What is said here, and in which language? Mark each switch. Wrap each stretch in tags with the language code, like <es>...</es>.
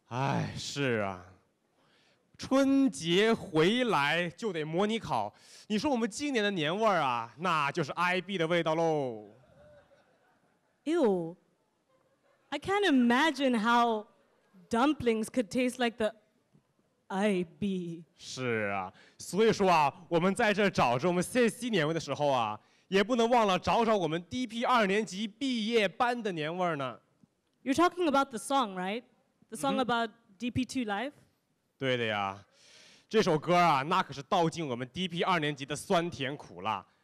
<zh>哎，是啊，春节回来就得模拟考。你说我们今年的年味啊，那就是 IB 的味道喽。</zh> <en>Ew. I can't imagine how dumplings could taste like the IB.</en> <zh>是啊，所以说啊，我们在这找着我们 CC 年味的时候啊，也不能忘了找找我们 DP 二年级毕业班的年味呢。</zh> <en>You're talking about the song, right? The song about DP2 life?</en> <zh>对的呀，这首歌啊，那可是道尽我们 DP 二年级的酸甜苦辣。</zh>